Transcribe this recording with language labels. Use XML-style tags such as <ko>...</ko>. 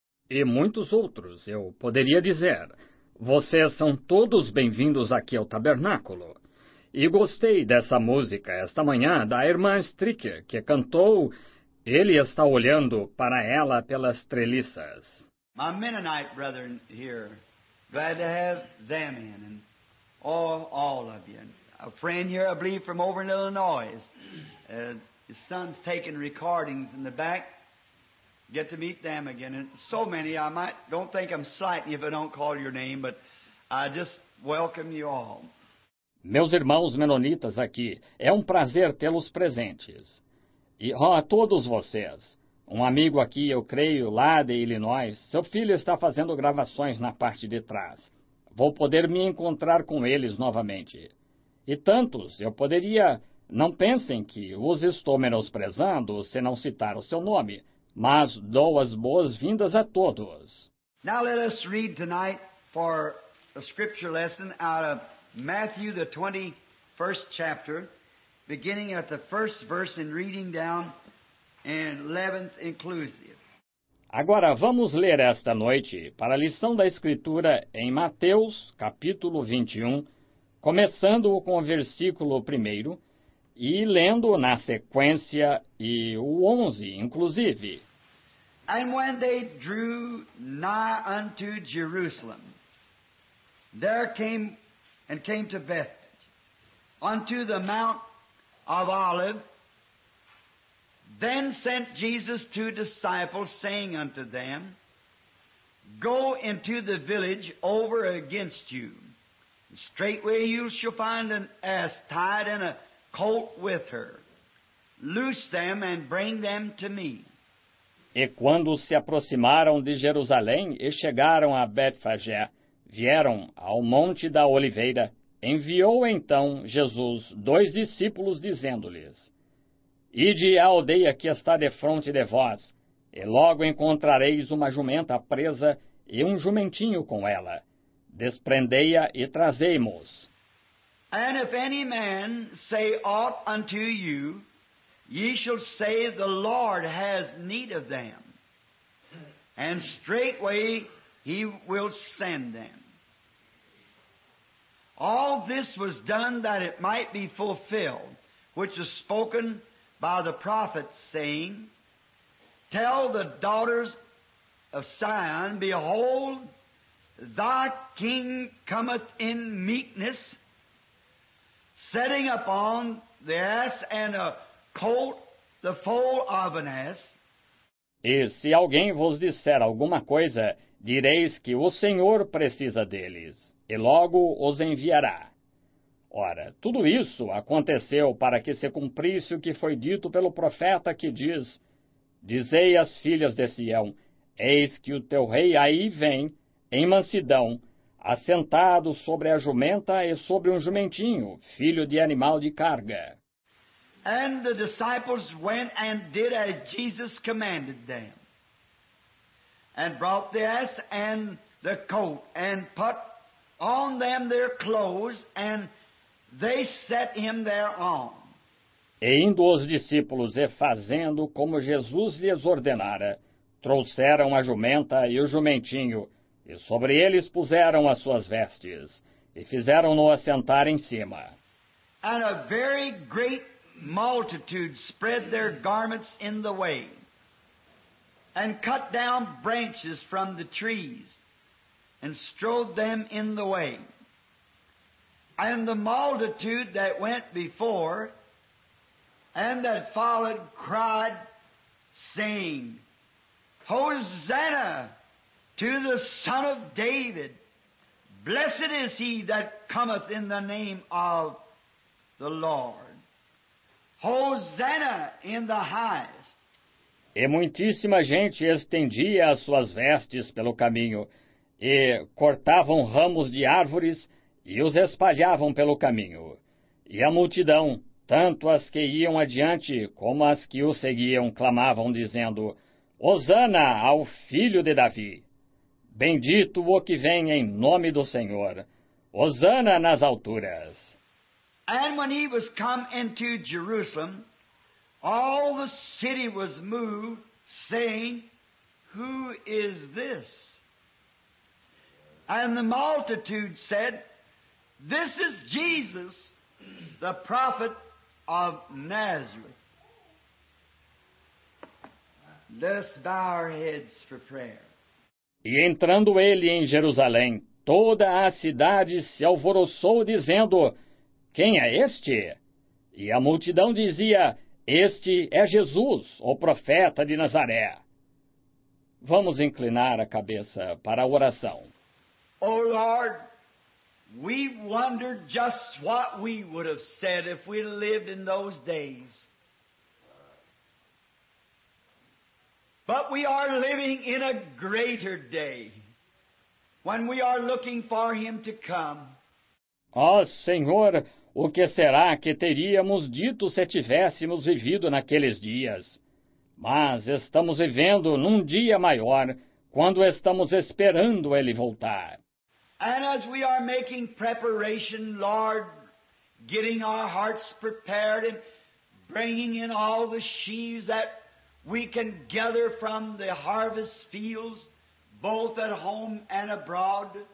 <pt>E muitos outros, eu poderia dizer. Vocês são todos bem-vindos aqui ao Tabernáculo. E gostei dessa música esta manhã da irmã Stricker, que cantou ele está olhando para ela pelas treliças.</pt> <en>My Mennonite brethren here, glad to have them in, and all of you. A friend here, I believe, from over in Illinois. His son's taking recordings in the back. Get to meet them again. And so many, I might don't think I'm slighting if I don't call your name, but I just welcome you all.</en> <pt>Meus irmãos menonitas aqui, é um prazer tê-los presentes. E a todos vocês, um amigo aqui, eu creio, lá de Illinois, seu filho está fazendo gravações na parte de trás. Vou poder me encontrar com eles novamente. E tantos, eu poderia, não pensem que os estou menosprezando se não citar o seu nome, mas dou as boas-vindas a todos.</pt> <en>Now let us read tonight for a scripture lesson out of Matthew, the 21st chapter, beginning at the first verse and reading down and 11th inclusive.</en> <pt>Agora vamos ler esta noite para a lição da escritura em Mateus, capítulo 21, começando com o versículo 1 e lendo na sequência e o 11, inclusive.</pt> <en>And when they drew nigh unto Jerusalem, there came and came to Bethany, unto the Mount of Olives, then sent Jesus two disciples, saying unto them, Go into the village over against you. Straightway you shall find an ass tied and a colt with her. Loose them and bring them to me.</en> <pt>E quando se aproximaram de Jerusalém e chegaram a Betfagé, vieram ao Monte da Oliveira, enviou então Jesus dois discípulos, dizendo-lhes, Ide à aldeia que está defronte de vós, e logo encontrareis uma jumenta presa e um jumentinho com ela. Desprendei-a e trazei-mos.</pt> <en>And if any man say aught unto you, ye shall say the Lord has need of them. And straightway he will send them. All this was done that it might be fulfilled, which was spoken by the prophet, saying, Tell the daughters of Sion, behold, Thy king cometh in meekness, setting upon the ass and a colt the foal of an ass.</en> <pt>E se alguém vos disser alguma coisa, direis que o Senhor precisa deles, e logo os enviará. Ora, tudo isso aconteceu para que se cumprisse o que foi dito pelo profeta que diz, Dizei às filhas de Sião, eis que o teu rei aí vem, em mansidão, assentado sobre a jumenta e sobre um jumentinho, filho de animal de carga.</pt> <en>And the disciples went and did as Jesus commanded them, and brought the ass and the coat, and put on them their clothes, and they set him thereon.</en> <pt>E indo os discípulos e fazendo como Jesus lhes ordenara, trouxeram a jumenta e o jumentinho, e sobre eles puseram as suas vestes, e fizeram-no assentar em cima.</pt> <en>And a very great multitude spread their garments in the way, and cut down branches from the trees, and strowed them in the way. And the multitude that went before, and that followed, cried, saying, Hosanna! To the Son of David, blessed is he that cometh in the name of the Lord. Hosanna in the highest.</en> <pt>E muitíssima gente estendia as suas vestes pelo caminho, e cortavam ramos de árvores e os espalhavam pelo caminho. E a multidão, tanto as que iam adiante como as que o seguiam, clamavam, dizendo: Hosanna ao filho de Davi! Bendito o que vem em nome do Senhor! Hosanna nas alturas!</pt> <en>And when he was come into Jerusalem, all the city was moved, saying, Who is this? And the multitude said, This is Jesus, the prophet of Nazareth. Let's bow our heads for prayer.</en> <pt>E entrando ele em Jerusalém, toda a cidade se alvoroçou, dizendo, Quem é este? E a multidão dizia, Este é Jesus, o profeta de Nazaré. Vamos inclinar a cabeça para a oração.</pt> <en>Oh Lord, we wondered just what we would have said if we lived in those days. But we are living in a greater day when we are looking for him to come.</en> <pt>Oh Senhor, o que será que teríamos dito se tivéssemos vivido naqueles dias? Mas estamos vivendo num dia maior, quando estamos esperando ele voltar.</pt> <en>And as we are making preparation, Lord, getting our hearts prepared and bringing in all the sheaves that we can gather from the harvest fields, both at home and abroad.</en>